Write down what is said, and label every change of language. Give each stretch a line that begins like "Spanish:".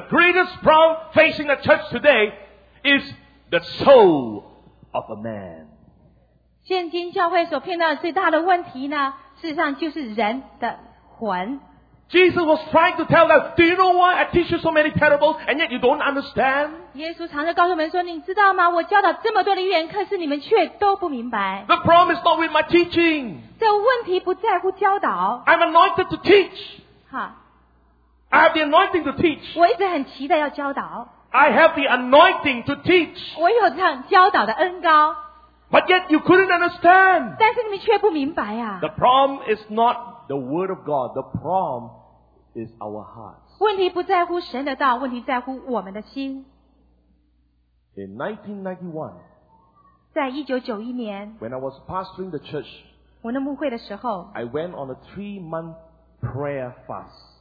English: greatest problem facing the church today is the soul of a man.
Chinese: 现今教会所碰到的最大的问题呢，事实上就是人的魂。
English: Jesus was trying to tell them, "Do you know why I teach you so many parables, and yet you don't understand?"
Chinese: 耶稣常常告诉我们说，你知道吗？我教导这么多的预言，可是你们却都不明白。
English: The problem is not with my teaching.
Chinese: 这问题不在乎教导。
English: I'm anointed to teach. 哈。 I have the anointing to teach.
Chinese: 我一直很期待要教导。
English: I have the anointing to teach.
Chinese: 我有这样教导的恩膏。
English: But yet you couldn't understand.
Chinese: 但是你们却不明白啊。
English: The problem is not the word of God. The problem is our hearts.
Chinese: 问题不在乎神的道, 问题在乎我们的心。
English: In 1991,
Chinese: 在1991年,
English: when I was pastoring the church,
Chinese: 我那牧会的时候,
English: I went on a 3-month prayer fast.